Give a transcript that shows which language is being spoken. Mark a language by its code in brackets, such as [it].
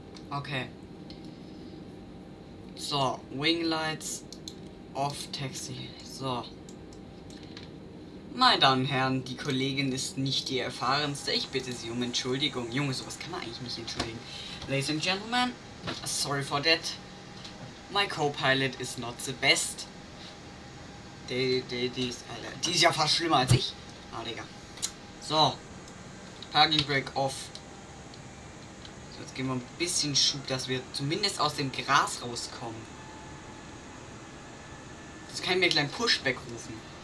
[en] Okay. So, Wing Lights off Taxi. So. [de] Meine Damen und Herren, die Kollegin ist nicht die erfahrenste. Ich bitte Sie um Entschuldigung. Junge, sowas kann man eigentlich nicht entschuldigen. [en] Ladies and Gentlemen, sorry for that. My co-pilot is not the best. [de] Die ist ja fast schlimmer als ich. Ah, Digga. So. Parking Brake off. Jetzt geben wir ein bisschen Schub, dass wir zumindest aus dem Gras rauskommen. Jetzt kann ich mir gleich Pushback rufen.